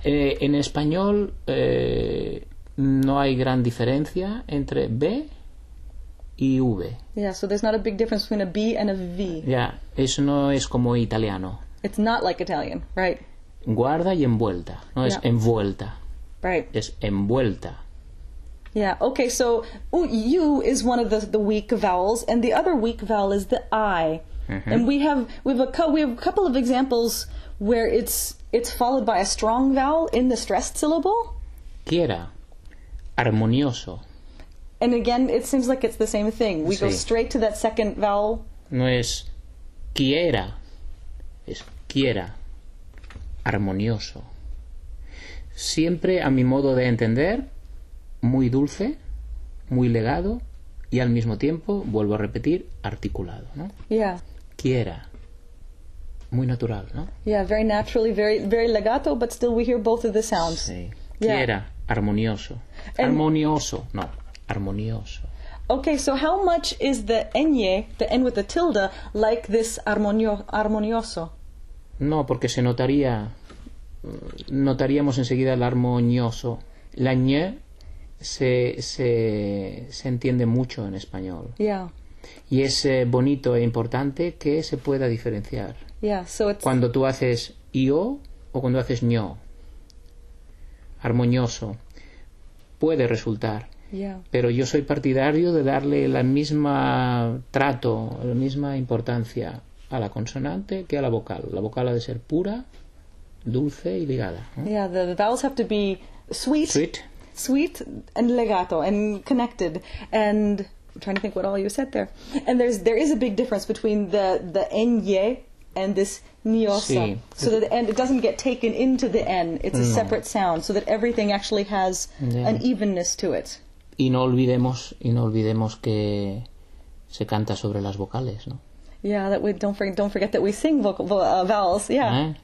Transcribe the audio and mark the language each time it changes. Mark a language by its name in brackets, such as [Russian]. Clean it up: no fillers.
[Spanish] En español no hay gran diferencia entre B y V. [English] Yeah, so there's not a big difference between a B and a V. [Spanish] Yeah, eso no es como italiano. [English] It's not like Italian, right? [Spanish] Guarda y envuelta. No, yeah. Es envuelta. [English] Right. [Spanish] Es envuelta. [English] Yeah, okay, so U is one of the weak vowels, and the other weak vowel is the I. Mm-hmm. And we have a couple of examples where it's followed by a strong vowel in the stressed syllable. [Spanish] Quiera. Armonioso. [English] And again, it seems like it's the same thing. We [Spanish] sí. [English] go straight to that second vowel. [Spanish] No es quiera. Es quiera. Armonioso. Siempre, a mi modo de entender, muy dulce, muy legado, y al mismo tiempo, vuelvo a repetir, articulado, ¿no? [English] Yeah. [Spanish] Quiera. Muy natural, ¿no? [English] Yeah, very naturally, very, very legato, but still we hear both of the sounds. [Spanish] Sí. Quiera. [English] Yeah. [Spanish] Armonioso. [English] And [Spanish] armonioso. No. Armonioso. [English] Okay, so how much is the N with the tilde, like this armonioso? [Spanish] No, porque se notaría, notaríamos enseguida el armonioso. La Ñ se entiende mucho en español. [English] Yeah. [Spanish] Y es bonito e importante que se pueda diferenciar. [English] Yeah, so it's [Spanish] cuando tú haces io o cuando haces ño. Armonioso. Puede resultar. [English] Yeah. [Spanish] Pero yo soy partidario de darle la misma trato, la misma importancia a la consonante que a la vocal. La vocal ha de ser pura, dulce y ligada. ¿Eh? [English] Yeah, the vowels have to be sweet and legato and connected. And I'm trying to think what all you said there. And there is a big difference between the ñ and this nioso. [Spanish] Sí. [English] So that the n, it doesn't get taken into the n. It's a [Spanish] no. [English] separate sound, so that everything actually has yeah. an evenness to it. [Spanish] Y no olvidemos que se canta sobre las vocales, ¿no? [English] Yeah, that we don't forget that we sing vowels, yeah.